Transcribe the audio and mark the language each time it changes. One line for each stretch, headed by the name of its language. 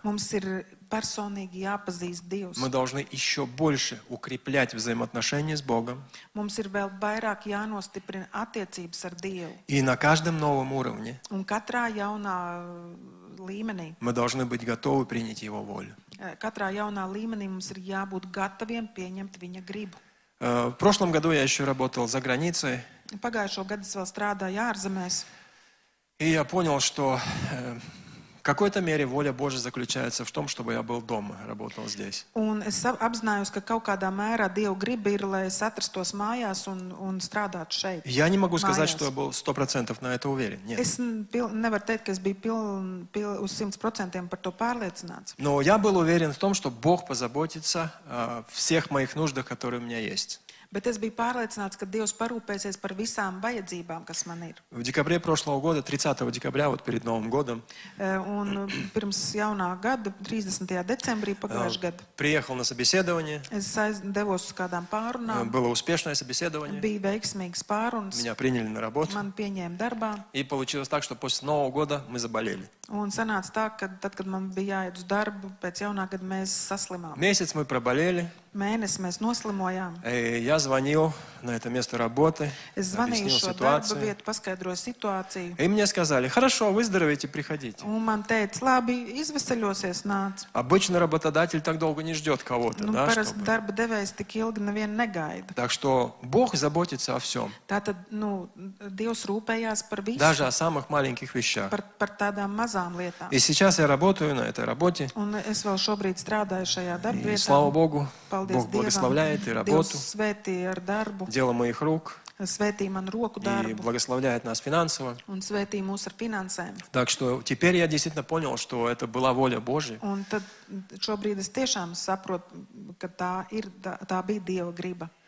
Latvian: Mums ir personīgi jāpazīst Dievs.
Russian: Мы должны ещё больше укреплять взаимоотношения с Богом.
Latvian: Mums ir vēl vairāk jānostiprina attiecības ar Dievu.
Russian: И на каждом новом уровне.
Latvian: Un katrā jaunā līmenī.
Russian: Мы должны быть готовы принять его волю.
Latvian: Katrā jaunā līmenī mums ir jābūt gataviem pieņemt viņa gribu.
Russian: В прошлом году я ещё работал за границей.
Latvian: Pagājušo gadu es vēl strādāju ārzemēs.
Russian: И я понял, что в какой-то мере воля Божия заключается в том, чтобы я был дома, работал здесь.
Latvian: Un es apzinājos, ka kaut kādā mērā Dieva griba ir, lai es atrastos mājās un strādātu šeit.
Russian: Я не могу сказать, что я был 100% на это уверен. Нет.
Latvian: Es nevaru teikt, ka es biju uz 100% par to pārliecināts.
Russian: Но я был уверен в том, что Бог позаботится о всех моих нуждах, которые у меня есть.
Latvian: Bet es biju pārliecināts, ka Dievs parūpēsies par visām vajadzībām, kas man ir.
Russian: В декабре прошлого года, 30 декабря, вот перед Новым годом.
Latvian: Un pirms jaunā gada, 30. Decembrī pagājušajā gadā.
Russian: Приехал на собеседование.
Latvian: Es devos uz kādām pārunām.
Russian: Было успешное собеседование.
Latvian: Bija veiksmīgs pārunas.
Russian: Меня приняли на работу.
Latvian: Man pieņēma darbā.
Russian: И получилось так, что после Нового года мы заболели.
Latvian: Un sanāca tā, ka tad, kad man bija jāiet uz darbu, pēc jaunā gada mēs saslimām.
Russian: Месяц мы проболели.
Latvian: Mēnesi mēs noslimojām.
Russian: Я звонил на это место работы.
Latvian: Es zvanīju šo darba vietu, paskaidroju situāciju.
Russian: И мне сказали, хорошо, выздоровейте, приходите.
Latvian: Un man teica, labi, izveseļosies, nāc.
Russian: Обычно работодатель так долго не ждет кого-то, да?
Latvian: Ну, parasti darba devējs tik ilgi nevien negaida.
Russian: Так что Бог заботится о всем.
Latvian: Tātad, nu, Dievs rūpējās par visu.
Russian: Даже о самых маленьких вещах.
Latvian: Par tādām mazām lietām.
Russian: И сейчас я работаю на этой работе.
Latvian: Un es vēl šobrīd strādāju šajā darba vietā.
Russian: И слава Богу.
Latvian: Paldies
Russian: Бог благословляет
Latvian: Dievam.
Russian: И работу.
Latvian: Dievs svētī ar darbu.
Russian: Дело моих рук.
Latvian: Svētī man roku darbu.
Russian: И благословляет нас финансово.
Latvian: Un svētī mūs ar finansēm.
Russian: Так что теперь я действительно понял, что это была воля Божия.
Latvian: Un tad šobrīd es tiešām saprotu, ka tā bija Dieva griba.